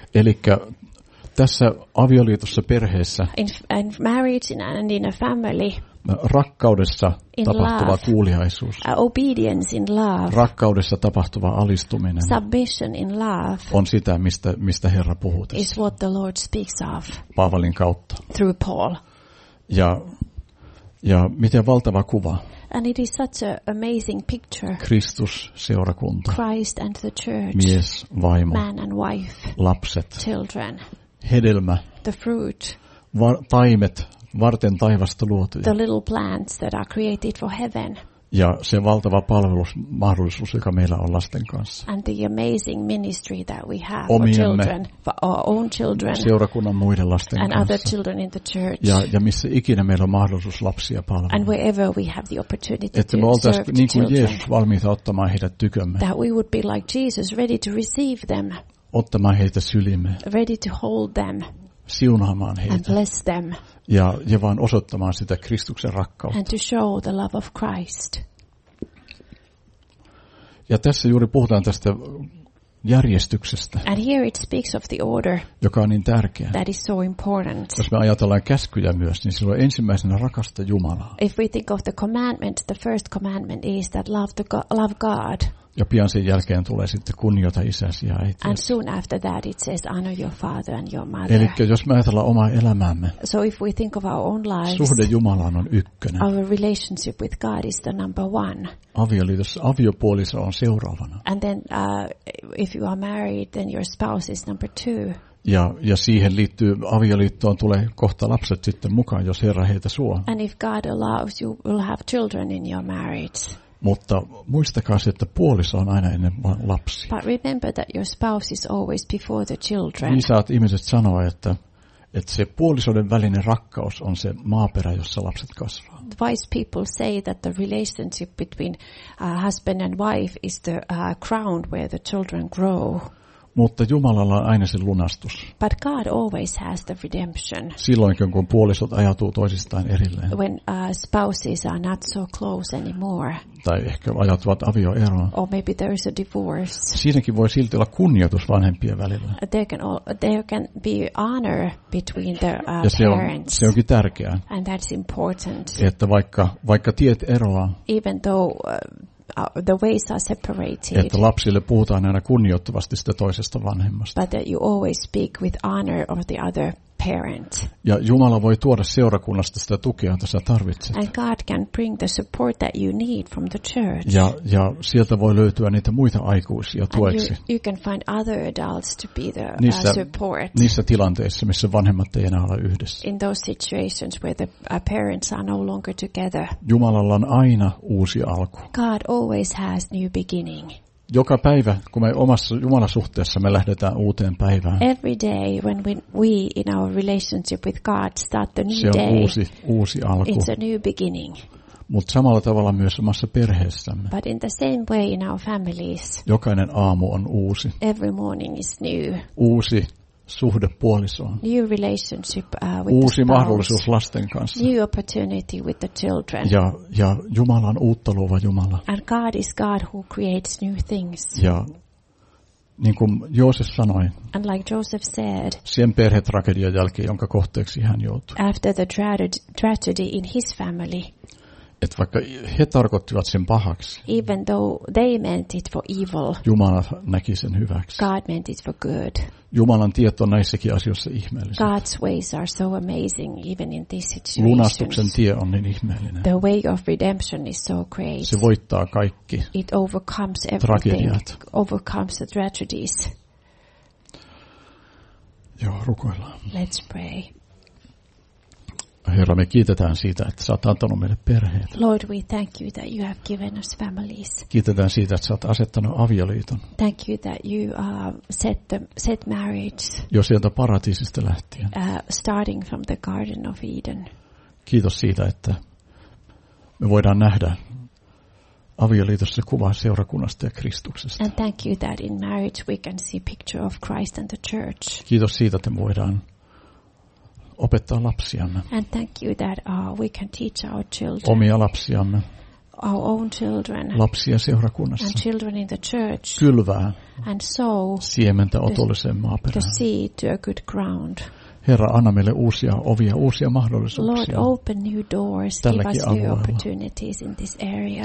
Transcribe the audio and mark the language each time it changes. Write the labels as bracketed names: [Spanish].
[Finnish] Elikkä tässä avioliitossa perheessä. [English] In marriage and in a family. [Finnish] Rakkaudessa in tapahtuva [English] love, [Finnish] kuuliaisuus. [English] Obedience in love. [Finnish] Rakkaudessa tapahtuva alistuminen. [English] Submission in love. [Finnish] On sitä, mistä Herra puhuu tässä. [English] Is what the Lord speaks of. [Finnish] Paavalin kautta. [English] Through Paul. [Finnish] Ja miten valtava kuva. [English] And it is such an amazing picture. [Finnish] Kristus, seurakunta. [English] Christ and the church. [Finnish] Mies, vaimo. [English] Man and wife. [Finnish] Lapset. [English] Children. [Finnish] Hedelmä. [English] The fruit. [Finnish] Taimet. Varten taivasta luotuja. [English] The little plants that are created for heaven. [Finnish] Ja se valtava palvelusmahdollisuus, joka meillä on lasten kanssa. [English] And the amazing ministry that we have for our own children. [Finnish] Seurakunnan muiden lasten [English] and [Finnish] kanssa. [English] And other children in the church. [Finnish] Ja missä ikinä meillä on mahdollisuus lapsia palvella. [English] And wherever we have the opportunity [Finnish] että [English] to serve [Finnish] niin kuin [English] the children. [Finnish] Että me Jeesus valmiita ottamaan heidät tykömme. [English] That we would be like Jesus, ready to receive them. [Finnish] Ottamaan heitä syliimme. [English] Ready to hold them. [Finnish] Siunaamaan heitä. [English] And bless them. [Finnish] Ja vaan osoittamaan sitä Kristuksen rakkautta. [English] And to show the love of Christ. [Finnish] Ja tässä juuri puhutaan tästä järjestyksestä. [English] And here it speaks of the order. [Finnish] Joka on niin tärkeä. [English] That is so important. [Finnish] Jos me ajatellaan käskyjä myös, niin silloin ensimmäisenä rakasta Jumalaa. [English] If we think of the commandment, the first commandment is that love God. [Finnish] Ja pian sen jälkeen tulee sitten kunnioita isäsi ja äitiäsi. [English] And soon after that it says honor your father and your mother. [Finnish] Elikkä jos me ajatellaan omaa elämäämme. [English] So if we think of our own lives. [Finnish] Suhde Jumalaan on ykkönen. [English] Our relationship with God is the number one. [Finnish] Avioliitossa aviopuoliso on seuraavana. [English] And then if you are married then your spouse is number two. [Finnish] Ja siihen liittyy avioliittoon tulee kohta lapset sitten mukaan jos Herra heitä suo. [English] And if God allows you will have children in your marriage. [Finnish] Mutta muistakaa se, että puoliso on aina ennen lapsi. [English] But remember that your spouse is always before the children. [Finnish] Viisaat ihmiset sanoo, että se puolisoiden välinen rakkaus on se maaperä, jossa lapset kasvaa. [English] Wise people say that the relationship between husband and wife is the crown where the children grow. [Finnish] Mutta Jumalalla on aina se lunastus. [English] But God always has the redemption. [Finnish] Silloinkin kun puolisot ajautuu toisistaan erilleen. [English] When spouses are not so close anymore. [Finnish] Tai ehkä ajautuvat avioeroon. [English] Or maybe there is a divorce. [Finnish] Siinäkin voi silti olla kunnioitus vanhempien välillä. [English] There can be honor between the parents. [Finnish] Se onkin tärkeää. [English] And that's important. [Finnish] Että vaikka tiet eroaa. [English] Even though the ways are separated. [Finnish] Että lapsille puhutaan aina kunnioittavasti sitä toisesta vanhemmasta. [English] But that you always speak with honor of the other parent. [Finnish] Ja Jumala voi tuoda seurakunnasta sitä tukea, jota sä tarvitset. [English] And God can bring the support that you need from the church. [Finnish] Ja sieltä voi löytyä niitä muita aikuisia tueksi. [English] And you can find other adults to be the support. [Finnish] Niissä tilanteissa, missä vanhemmat ei enää ole yhdessä. [English] In those situations where the parents are no longer together. [Finnish] Jumalalla on aina uusi alku. [English] God always has new beginning. [Finnish] Joka päivä, kun me omassa Jumalasuhteessa me lähdetään uuteen päivään. [English] Every day when we in our relationship with God start the new day. [Finnish] Se on uusi alku. [English] It's a new beginning. [Finnish] Mutta samalla tavalla myös omassa perheessämme. [English] But in the same way in our families. [Finnish] Jokainen aamu on uusi. [English] Every morning is new. [Finnish] Uusi suhde puolisoon. [English] New relationship with [Finnish] uusi mahdollisuus lasten kanssa. [English] New opportunity with the children. [Finnish] Ja Jumala on uutta luova Jumala. [English] And God is God who creates new things. [Finnish] Ja niin kuin Joosef sanoi. [English] And like Joseph said. [Finnish] Sen perhetragedian jälkeen, jonka kohteeksi hän joutui. [English] After the tragedy in his family. [Finnish] Et vaikka he tarkoittivat sen pahaksi. [English] Even though they meant it for evil. [Finnish] Jumala näki sen hyväksi. [English] God meant it for good. [Finnish] Jumalan tiet on näissäkin asioissa ihmeelliset. [English] God's ways are so amazing even in these situations. [Finnish] Lunastuksen tie on niin ihmeellinen. [English] The way of redemption is so great. [Finnish] Se voittaa kaikki. [English] It overcomes everything. [Finnish] Tragediat. [English] Overcomes the tragedies. [Finnish] Joo, rukoillaan. [English] Let's pray. [Finnish] Herra, me kiitetään siitä, että sä oot antanut meille perheet. [English] Lord, we thank you that you have given us families. [Finnish] Kiitetään siitä, että sä oot asettanut avioliiton. [English] Thank you that you set marriage. [Finnish] Jo sieltä paratiisista lähtien. [English] Starting from the Garden of Eden. [Finnish] Kiitos siitä, että me voidaan nähdä avioliitossa kuva seurakunnasta ja Kristuksesta. [English] And thank you that in marriage we can see picture of Christ and the church. [Finnish] Kiitos siitä, että me voidaan opettaa lapsiamme. [English] And thank you that we can teach our children. [Finnish] Omia lapsiamme. [English] Our own children. [Finnish] Lapsia seurakunnassa. [English] And children in the church. [Finnish] Kylvää. [English] And sow. [Finnish] Siementä otolliseen maaperään. [English] The seed to a good ground. [Finnish] Herra, anna meille uusia ovia, uusia mahdollisuuksia. [English] Lord, open new doors. [Finnish] Tälläkin [English] give us new opportunities in this area.